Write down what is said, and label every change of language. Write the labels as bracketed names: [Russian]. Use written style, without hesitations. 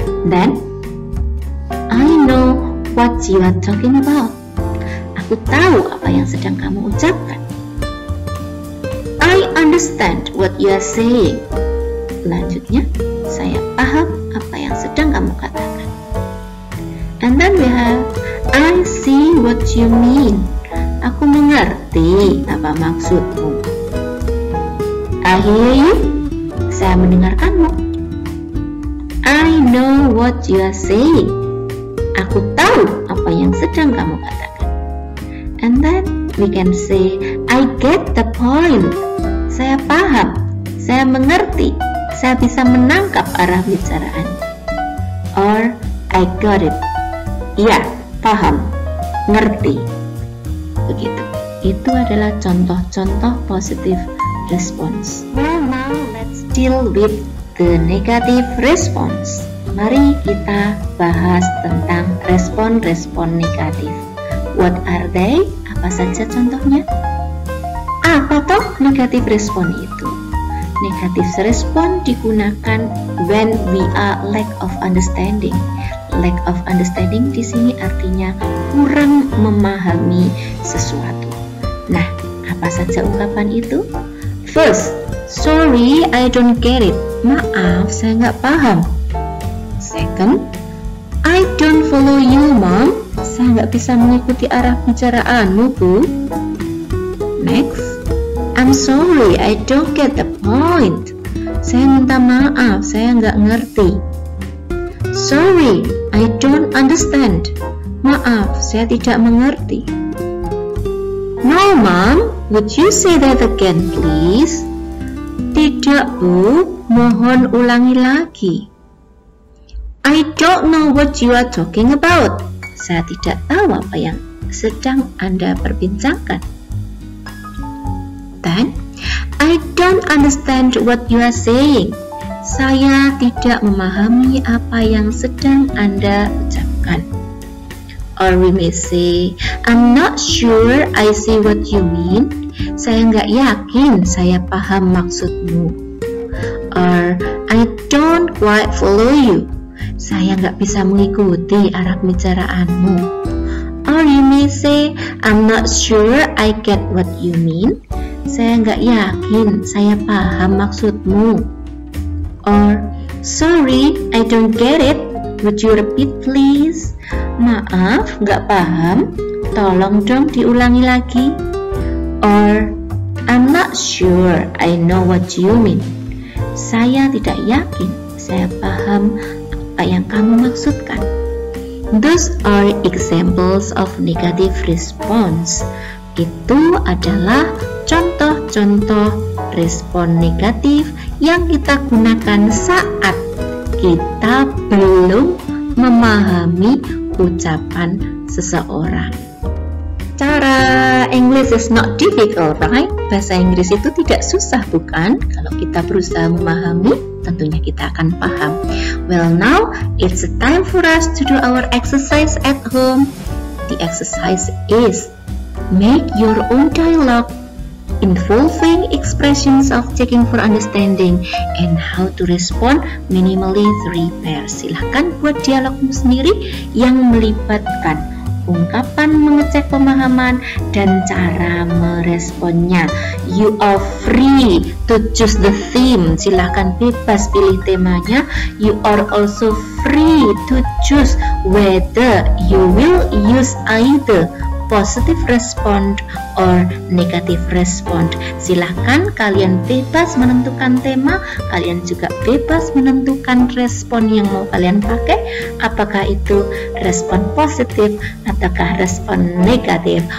[English] Then I know what you are talking about. [Indonesian] Aku tahu apa yang sedang kamu ucapkan. [English] I understand what you are saying. [Indonesian] Selanjutnya, saya paham apa yang sedang kamu katakan. [English] And then we have I see what you mean. [Indonesian] Aku mengerti apa maksudmu. [English] I hear you. [Indonesian] Saya mendengarkanmu. [English] I know what you are saying. [Indonesian] Aku tahu apa yang sedang kamu katakan. [English] And then we can say I get the point. [Indonesian] Saya paham. Saya mengerti. Saya bisa menangkap arah bicaraan. [English] Or I got it. [Indonesian] Iya. Paham, ngerti. Begitu. Itu adalah contoh-contoh positive response. [English] Well, now let's deal with the negative response. [Indonesian] Mari kita bahas tentang respon-respon negatif. [English] What are they? [Indonesian] Apa saja contohnya? Apa toh negative response itu? [English] Negative response digunakan when we are lack of understanding. [Indonesian] Lack of understanding di sini artinya kurang memahami sesuatu. Nah, apa saja ungkapan itu? [English] First, sorry, I don't get it. [Indonesian] Maaf, saya nggak paham. [English] Second, I don't follow you, mom. [Indonesian] Saya nggak bisa mengikuti arah bicaraanmu, bu. [English] Next, I'm sorry, I don't get the point. [Indonesian] Saya minta maaf, saya nggak ngerti. [English] Sorry, I don't understand. [Indonesian] Maaf, saya tidak mengerti. [English] No, mom, would you say that again, please? [Indonesian] Tidak, bu, mohon ulangi lagi. [English] I don't know what you are talking about. [Indonesian] Saya tidak tahu apa yang sedang Anda perbincangkan. [English] Then, I don't understand what you are saying. [Indonesian] Saya tidak memahami apa yang sedang Anda ucapkan. [English] Or we may say, I'm not sure I see what you mean. [Indonesian] Saya enggak yakin saya paham maksudmu. [English] Or I don't quite follow you. [Indonesian] Saya enggak bisa mengikuti arah bicaraanmu. [English] Or you may say, I'm not sure I get what you mean. [Indonesian] saya nggak yakin saya paham maksudmu. [English] Or, sorry, I don't get it. Would you repeat, please? [Indonesian] Maaf, nggak paham. Tolong dong diulangi lagi. [English] Or, I'm not sure I know what you mean. [Indonesian] Saya tidak yakin saya paham apa yang kamu maksudkan. [English] Those are examples of negative response. [Indonesian] Itu adalah contoh-contoh respon negatif yang kita gunakan saat kita belum memahami ucapan seseorang. [English] Cara English is not difficult, right? [Indonesian] Bahasa Inggris itu tidak susah, bukan? Kalau kita berusaha memahami, tentunya kita akan paham. [English] Well, now it's time for us to do our exercise at home. The exercise is make your own dialogue involving expressions of checking for understanding and how to respond minimally 3 pairs. [Indonesian] Silakan buat dialogmu sendiri yang melibatkan ungkapan mengecek pemahaman dan cara meresponnya. [English] You are free to choose the theme. [Indonesian] Silakan bebas pilih temanya. [English] You are also free to choose whether you will use either positive response or negative response. [Indonesian] Silakan kalian bebas menentukan tema, kalian juga bebas menentukan respon yang mau kalian pakai, apakah itu respon positif ataukah respon negatif.